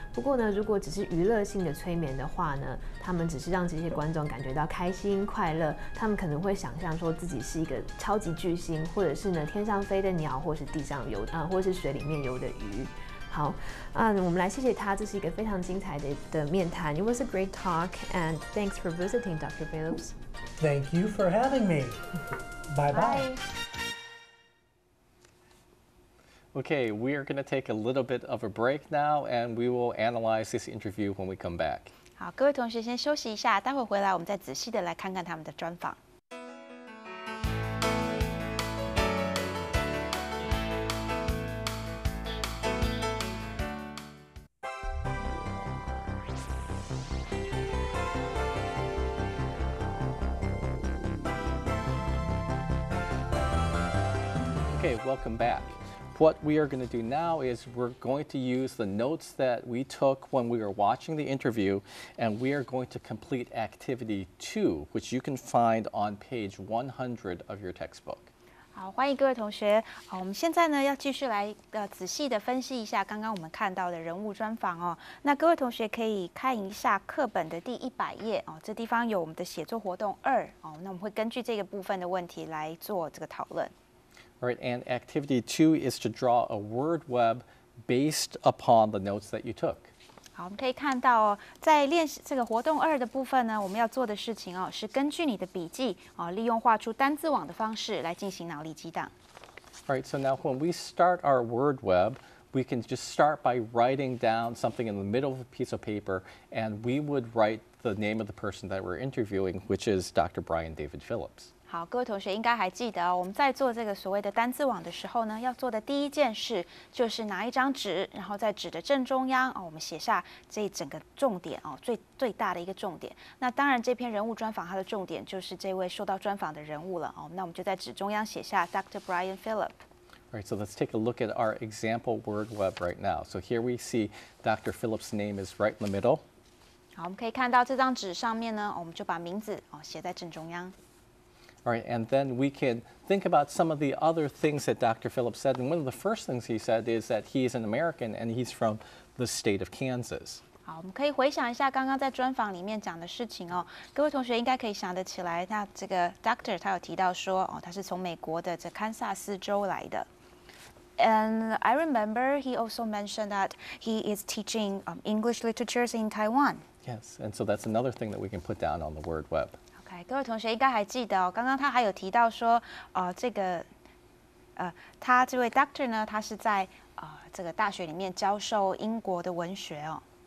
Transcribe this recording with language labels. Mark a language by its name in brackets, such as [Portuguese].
[Chinese] 不过呢，如果只是娱乐性的催眠的话呢，他们只是让这些观众感觉到开心快乐，他们可能会想象说自己是一个超级巨星，或者是呢天上飞的鸟，或是地上游啊、或是水里面游的鱼。好，我们来谢谢他，这是一个非常精彩 的面谈。 [English] It was a great talk, and thanks for visiting, Dr. Phillips. Thank you for having me. Bye-bye. Okay, we are going to take a little bit of a break now, and we will analyze this interview when we come back. [Chinese] 好，各位同学先休息一下，待会回来我们再仔细的来看看他们的专访。 [English] Okay, welcome back. What we are going to do now is we're going to use the notes that we took when we were watching the interview, and we are going to complete activity 2, which you can find on page 100 of your textbook. [Chinese] 好，欢迎各位同学。好，我们现在呢要继续来仔细的分析一下刚刚我们看到的人物专访哦。那各位同学可以看一下课本的第100页哦，这地方有我们的写作活动2哦。那我们会根据这个部分的问题来做这个讨论。 [English] All right, and activity 2 is to draw a word web based upon the notes that you took. [Chinese] 好，我们可以看到哦，在练习这个活动二的部分呢，我们要做的事情哦，是根据你的笔记哦，利用画出单字网的方式来进行脑力激荡。 [English] All right, so now when we start our word web, we can just start by writing down something in the middle of a piece of paper, and we would write the name of the person that we're interviewing, which is Dr. Brian David Phillips. [Chinese] 好，各位同学应该还记得、哦、我们在做这个所谓的单字网的时候呢，要做的第一件事就是拿一张纸，然后在纸的正中央、哦、我们写下这整个重点、哦、最大的一个重点。那当然这篇人物专访它的重点就是这位受到专访的人物了、哦、那我们就在纸中央写下 Dr. [English] Brian Phillip. Alright, so let's take a look at our example word web right now. So here we see Dr. Phillip's name is right in the middle. [Chinese] 好，我们可以看到这张纸上面呢、哦、我们就把名字、哦、写在正中央。 [English] Alright, and then we can think about some of the other things that Dr. Phillips said. And one of the first things he said is that he is an American and he's from the state of Kansas. [Chinese] 好，我们可以回想一下刚刚在专访里面讲的事情哦。各位同学应该可以想得起来，那这个 Doctor 他有提到说，哦，他是从美国的这堪萨斯州来的。 [English] And I remember he also mentioned that he is teaching English literatures in Taiwan. Yes, and so that's another thing that we can put down on the word web. [Chinese] 各位同学应该还记得、哦、刚刚他还有提到说、这个他这位 doctor 呢他是在、这个大学里面教授英国的文学、哦、